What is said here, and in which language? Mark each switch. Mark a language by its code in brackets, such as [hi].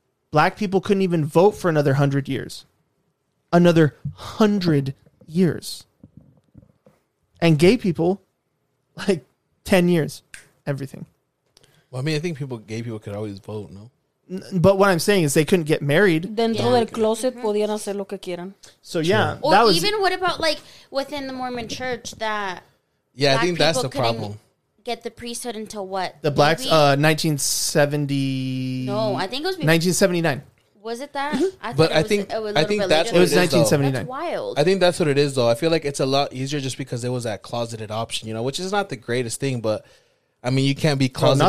[en] Black people couldn't even vote for another 100 years. Another 100 years. And gay people, like 10 years, everything. Well, I mean, I think gay people could always vote, no? But what I'm saying is they couldn't get married. [es] Dentro del closet podían hacer lo que quieran. [en] So, yeah. Or that was, even what about, like, within the Mormon church that. Yeah, I think that's the problem. Get the priesthood until what? The blacks? 1970. No, I think it was 1979. Was it that? I think that's what it is. I think that's what it is, though. I feel like it's a lot easier just because it was that closeted option, you know, which is not the greatest thing, but I mean, you can't be closeted.